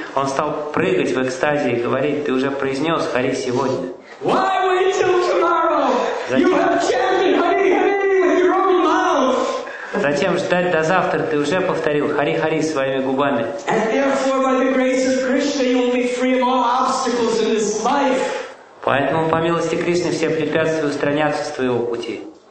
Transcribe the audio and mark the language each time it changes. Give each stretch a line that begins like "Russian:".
Russian: Он стал прыгать в экстазе и говорить, ты уже произнес Хари сегодня.
English: Why wait till tomorrow? You have chanted Hari Hari with your own mouth.
Russian: Затем ждать до завтра, ты уже повторил Хари Хари своими губами.
English: And therefore, by the grace of Krishna, you will be free of all obstacles in this life.
Russian: Поэтому, по милости Кришны, все препятствия устранятся с твоего пути.